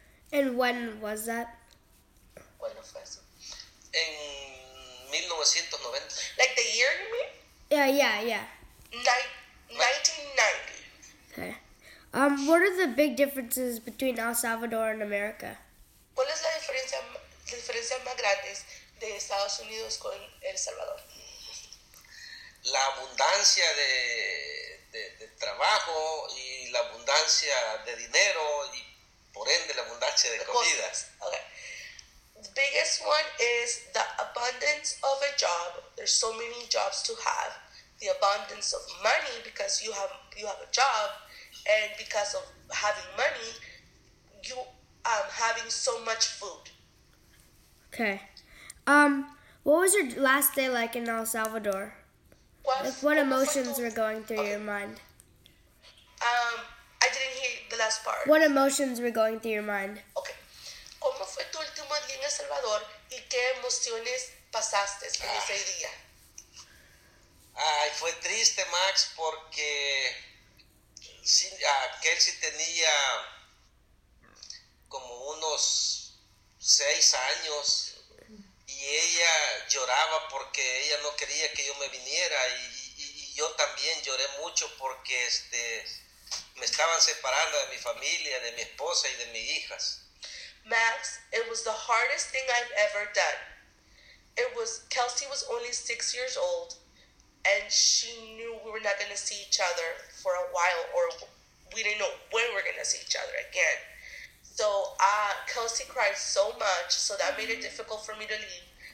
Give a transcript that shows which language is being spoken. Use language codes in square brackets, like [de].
[en] And when was that? When was it? In 1990. Like the year, you mean? Yeah. 1990. Okay. What are the big differences between El Salvador and America? [es] ¿Cuál es la diferencia más grande de Estados Unidos con El Salvador? La abundancia de trabajo y la abundancia de dinero y por ende la abundancia de comidas. [en] Okay. The biggest one is the abundance of a job. There's so many jobs to have. The abundance of money because you have a job. And because of having money, you having so much food. Okay. What was your last day like in El Salvador? What emotions were going through your mind? I didn't hear the last part. What emotions were going through your mind? Okay. [es] ¿Cómo fue tu último día en El Salvador y qué emociones pasaste en ese día? Ay, fue triste, Max, porque sí, Kelsey tenía como unos 6 años y ella lloraba porque ella no quería que yo me viniera y yo también lloré mucho porque me estaban separando de mi familia, de mi esposa y de mis hijas. [en] Max, it was the hardest thing I've ever done. Kelsey was only 6 years old and she knew we were not going to see each other for a while, or we didn't know when we're going to see each other again. So Kelsey cried so much, so that made it difficult for me to leave.